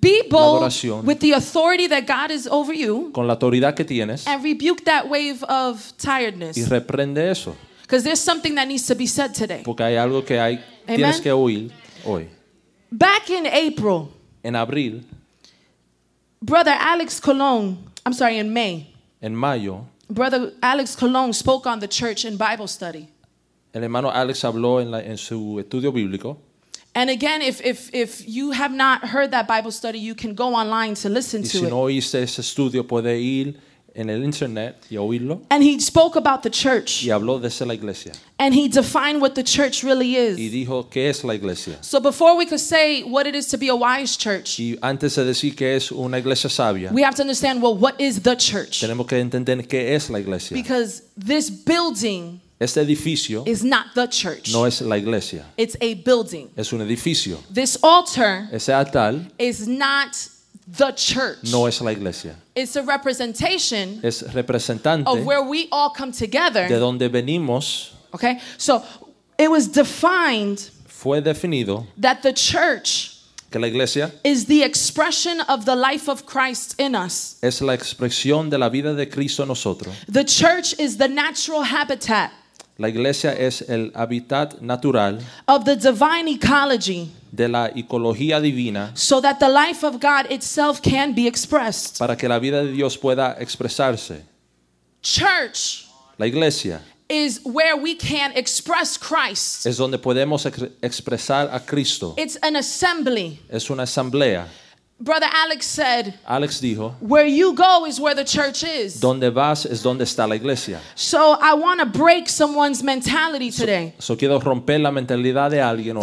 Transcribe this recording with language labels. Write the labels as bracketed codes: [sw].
[en] Be bold with the authority that God is over you. [es] Con la autoridad que tienes. [en] And rebuke that wave of tiredness. [es] Y reprende eso. [en] Because there's something that needs to be said today. [es] Porque hay algo que hay, tienes que oír hoy. [en] Back in April. [es] En abril. [en] Brother Alex Colon. I'm sorry, in May. [es] En mayo. [en] Brother Alex Colon spoke on the church in Bible study. [es] El hermano Alex habló en la, en su estudio bíblico. [en] And again, if you have not heard that Bible study, you can go online to listen [es] y [en] to it. [es] Y si no oíste ese estudio, puede ir en el internet y oírlo. [en] And he spoke about the church. [es] Y habló de esa la iglesia. [en] And he defined what the church really is. [es] Y dijo qué es la iglesia. [en] So before we could say what it is to be a wise church, [es] y antes de decir qué es una iglesia sabia, [en] we have to understand, well, what is the church? [es] Tenemos que entender qué es la iglesia. [en] Because this building, [es] este edificio, [en] is not the church. [es] No es la iglesia. [en] It's a building. [es] Es un edificio. [en] This altar, [es] ese altar, [en] is not the church. [es] No es la iglesia. [en] It's a representation, [es] es representante, [en] of where we all come together. [es] De donde venimos. [en] Okay, so it was defined, [es] fue definido, [en] that the church, [es] que la iglesia, [en] is the expression of the life of Christ in us. [es] Es la expresión de la vida de Cristo en nosotros. [en] The church is the natural habitat, [es] la iglesia es el hábitat natural, [en] of the divine ecology, [es] de la ecología divina, [en] so that the life of God itself can be expressed, [es] para que la vida de Dios pueda expresarse. [en] Church, [es] la iglesia, [en] is where we can express Christ. [es] Es donde podemos expresar a Cristo. [en] It's an assembly. [es] Es una asamblea. [en] Brother Alex said, [es] Alex dijo, [en] where you go is where the church is. [es] Donde vas es donde está la iglesia. [en] So I want to break someone's mentality today. [es] So quiero romper la mentalidad de alguien hoy.